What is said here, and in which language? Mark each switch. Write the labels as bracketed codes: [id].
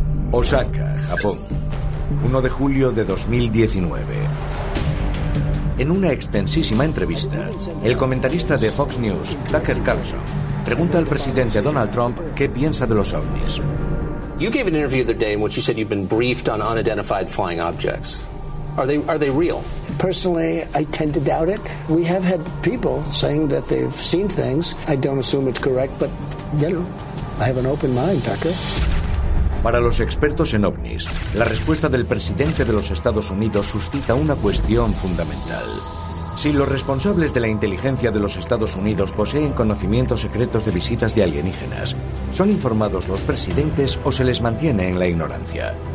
[es] Osaka, Japón. 1 de julio de 2019. En una extensísima entrevista, el comentarista de Fox News, Tucker Carlson, pregunta al presidente Donald Trump qué piensa de los ovnis. [en] You gave an interview the other day in which you said you've been briefed on unidentified flying objects. Are they real? Personally, I tend to doubt it. We have had people saying that they've seen things. I don't assume it's correct, but you know, I have an open mind, Tucker. [es] Para los expertos en ovnis, la respuesta del presidente de los Estados Unidos suscita una cuestión fundamental. Si los responsables de la inteligencia de los Estados Unidos poseen conocimientos secretos de visitas de alienígenas, ¿son informados los presidentes o se les mantiene en la ignorancia?